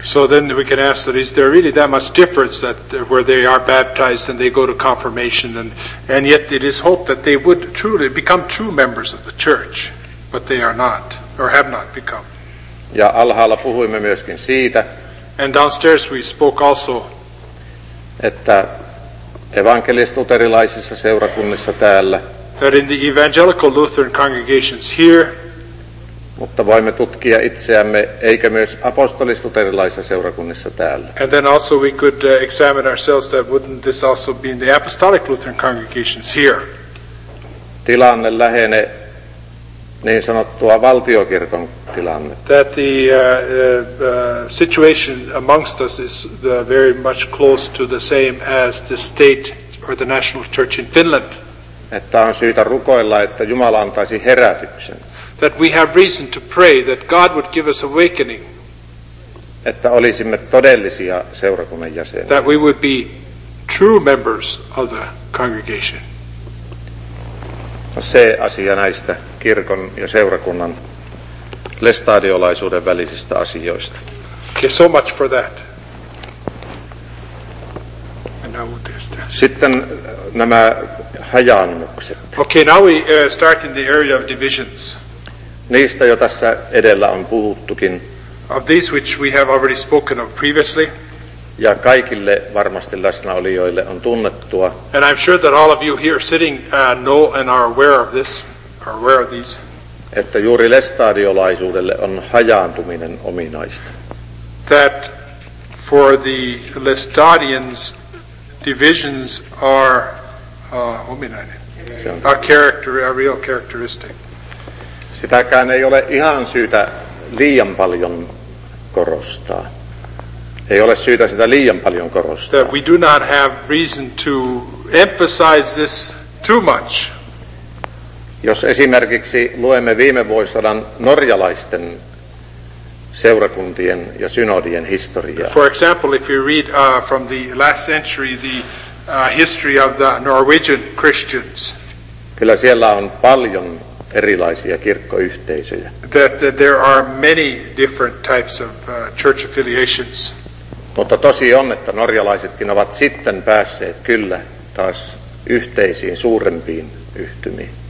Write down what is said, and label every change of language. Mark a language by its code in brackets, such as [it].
[en] So then we can ask that, is there really that much difference that where they are baptized and they go to confirmation and yet it is hoped that they would truly become true members of the church, but they are not or have not become. [fi] Ja alhaalla puhuimme myöskin siitä. [en] And downstairs we spoke also, [fi] että evankelis-luterilaisissa seurakunnissa täällä, [en] that in the evangelical Lutheran congregations here, [fi] mutta voimme tutkia itseämme, eikä myös apostolis-luterilaisissa seurakunnissa täällä. [en] And then also we could examine ourselves, that wouldn't this also be in the apostolic Lutheran congregations here? [fi] Tilanne lähenee niin sanottua valtiokirkon tilanne. [en] That the situation amongst us is very much close to the same as the state or the national church in Finland. [fi] Että on syytä rukoilla, että Jumala antaisi herätyksen. [en] That we have reason to pray that God would give us awakening. [fi] Että olisimme todellisia seurakunnan jäseniä. [en] That we would be true members of the congregation. [fi] No, se asia näistä kirkon ja seurakunnan lestadiolaisuuden välisistä asioista. [en] Okay, so much for that. [fi] Sitten nämä hajaannukset. [en] Okay, now we start in the area of divisions. [fi] Niistä jo tässä edellä on puhuttukin. [en] Of these which we have already spoken of previously. [fi] Ja kaikille varmasti läsnäolijoille on tunnettua. [en] And I'm sure that all of you here sitting know and are aware of this, are aware of these. [fi] Että juuri lestadiolaisuudelle on hajaantuminen ominaista. [en] That for the lestadians, divisions are ominainen. [fi] Se on [en] a character, a real characteristic. [fi] Sitäkään ei ole ihan syytä liian paljon korostaa. Ei ole syytä sitä liian paljon korostaa. [en] That we do not have reason to emphasize this too much. [fi] Jos esimerkiksi luemme viime vuosisadan norjalaisten seurakuntien ja synodien historiaa. [en] For example, if you read from the last century the history of the Norwegian Christians. [fi] Kyllä siellä on paljon erilaisia kirkkoyhteisöjä. [en] That there are many different types of church affiliations. [fi] Mutta tosi on, että norjalaisetkin ovat sitten päässeet kyllä taas yhteisiin suurempiin yhtymiin.